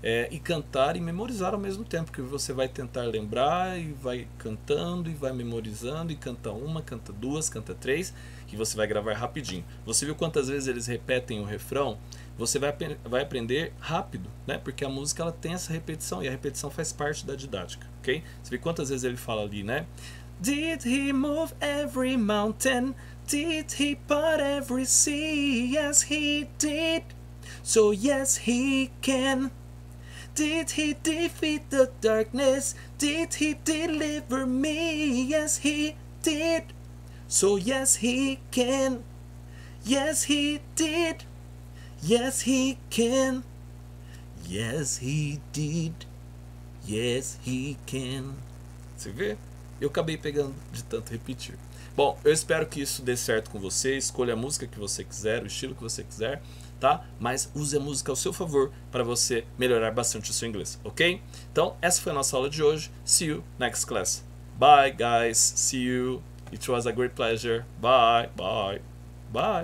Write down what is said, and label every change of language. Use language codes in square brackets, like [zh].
[pt] E cantar e memorizar ao mesmo tempo, que você vai tentar lembrar e vai cantando e vai memorizando e canta uma, canta duas, canta três, que você vai gravar rapidinho. Você viu quantas vezes eles repetem o refrão? Você vai aprender rápido, né? Porque a música ela tem essa repetição e a repetição faz parte da didática, ok? Você viu quantas vezes ele fala ali, né? [en] Did he move every mountain? Did he part every sea? Yes, he did. So yes, he can. Did he defeat the darkness? Did he deliver me? Yes, he did. So yes, he can. Yes, he did. Yes, he can. Yes, he did. Yes, he can. [pt] Você vê? Eu acabei pegando de tanto repetir. Bom, eu espero que isso dê certo com você. Escolha a música que você quiser, o estilo que você quiser, tá? Mas use a música ao seu favor para você melhorar bastante o seu inglês, ok? Então, essa foi a nossa aula de hoje. [en] See you next class. Bye, guys. See you. It was a great pleasure. Bye, bye, bye.